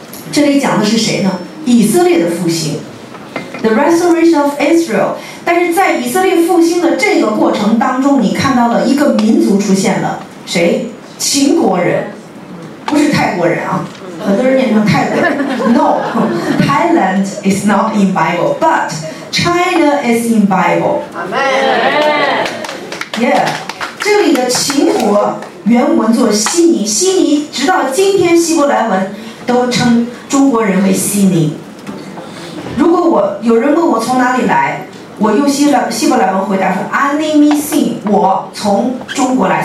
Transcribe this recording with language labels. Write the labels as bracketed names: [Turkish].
[Chinese] 这里讲的是谁呢？以色列的复兴 [English] The restoration of Israel。 [Chinese] 但是在以色列复兴的这个过程当中，你看到了一个民族出现了，谁？秦国人，不是泰国人啊，很多人念成泰国人。 [English] No, Thailand is not in Bible, but China is in Bible. Amen. [Chinese] Yeah, 这里的秦国原文做悉尼，悉尼直到今天希伯来文都称中国人为悉尼。如果我有人问我从哪里来，我用希伯来文回答说 [Hebrew] Ani mi sin, [Chinese] 我从中国来。